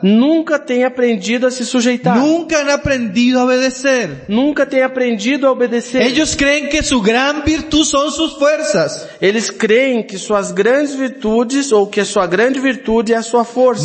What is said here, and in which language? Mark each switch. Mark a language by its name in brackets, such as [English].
[Portuguese] Nunca tem aprendido a se sujeitar. [Spanish] Nunca han aprendido a obedecer. [Portuguese] Nunca tem aprendido a obedecer. [Spanish] Ellos creen que su gran virtud son sus fuerzas. [Portuguese] Eles creem que suas grandes virtudes ou que a sua grande virtude é a sua força.